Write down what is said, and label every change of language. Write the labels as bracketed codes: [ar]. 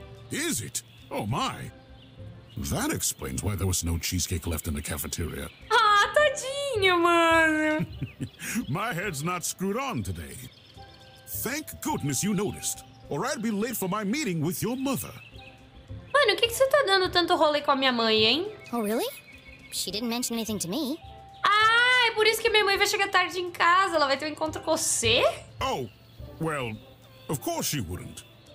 [en] Is it? Oh my. That explains why there was no cheesecake left in the cafeteria. [pt] Ah, tadinho, mano. [en] My head's not screwed on today. Thank goodness you noticed, or I'd be late for my meeting with your mother. [pt] Mano, o que que você tá dando tanto rolê com a minha mãe, hein? [en] Oh, really? She didn't mention anything to me. [pt] Ah, é por isso que minha mãe vai chegar tarde em casa. Ela vai ter um encontro com você? [en] Oh, well, of course she wouldn't.